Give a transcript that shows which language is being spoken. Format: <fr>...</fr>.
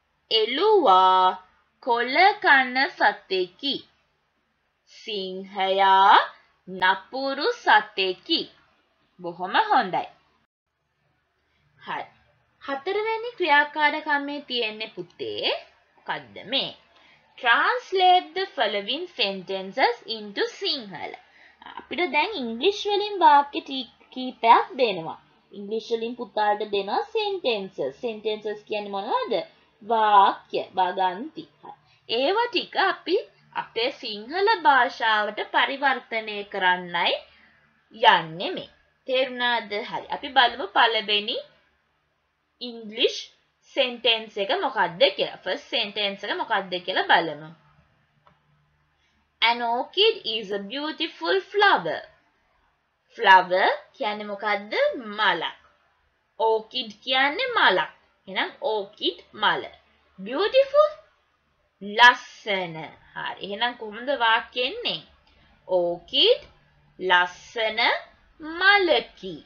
<si>එළුවා කොළ කන සතෙකි. සිංහයා නපුරු සතෙකි. බොහොම හොඳයි. හරි. හතරවැනි ක්‍රියාකාරකමේ තියෙන පුතේ මොකද්ද මේ?</si> <en>Translate the following sentences into Sinhala.</en> <si>අපිට දැන් ඉංග්‍රීසි වලින් වාක්‍ය කීපයක් දෙනවා. ඉංග්‍රීසි වලින් පුතාලට දෙනවා sentences. Sentences කියන්නේ මොනවද? වාක්‍ය, වගන්ති. ඒව ටික අපි අපේ සිංහල භාෂාවට පරිවර්තනය කරන්නයි යන්නේ මේ. තේරුණාද? හරි. අපි බලමු පළවෙනි ඉංග්‍රීසි සෙන්ටෙන්ස් එක මොකක්ද කියලා.</si> <en>first sentence</en> <si>එක මොකක්ද කියලා බලමු.</si> <en>An orchid is a beautiful flower.</en> <si>Flower කියන්නේ මොකද්ද? මලක්. Orchid කියන්නේ මලක්. එහෙනම් orchid මල. Beautiful ලස්සන. හරි. එහෙනම් කොහොමද වාක්‍ය එන්නේ? Orchid ලස්සන මලකි.</si>